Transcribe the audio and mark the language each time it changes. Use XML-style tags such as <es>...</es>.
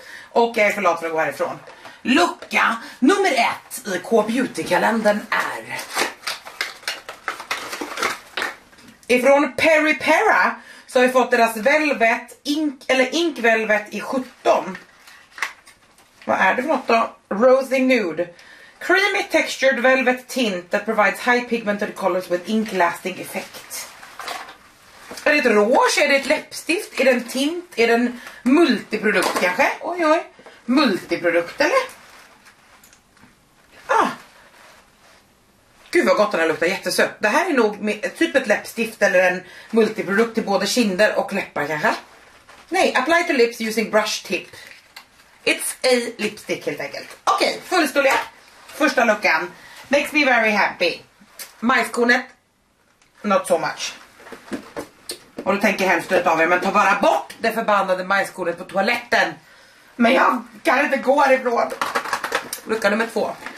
<sv>Och jag är för lat för att gå härifrån. Lucka nummer 1 i K-beauty-kalendern är... Ifrån Peri Pera så har vi fått deras velvet, ink, eller ink velvet i 17. Vad är det för något då? Rosy Nude.</sv> <en>Creamy textured velvet tint that provides high pigmented colors with ink lasting effect.</en> <sv>Är det ett rouge? Är det ett läppstift? Är det en tint? Är det en multiprodukt kanske? Oj oj. Multiprodukt eller? Ah. Gud vad gott den här luktar, jättesött. Det här är nog typ ett läppstift eller en multiprodukt till både kinder och läppar kanske?</sv> <en>Nej, apply to lips using brush tip. It's a lipstick</en> <sv>helt enkelt. Okej, fullstorlek. Första luckan,</sv> <en>makes me very happy.</en> <sv>Majskornet,</sv> <en>not so much.</en> <sv>Och då tänker hälften av er, men ta bara bort det förbannade majskornet på toaletten. Men jag kan inte gå härifrån. Lucka nummer 2.</sv>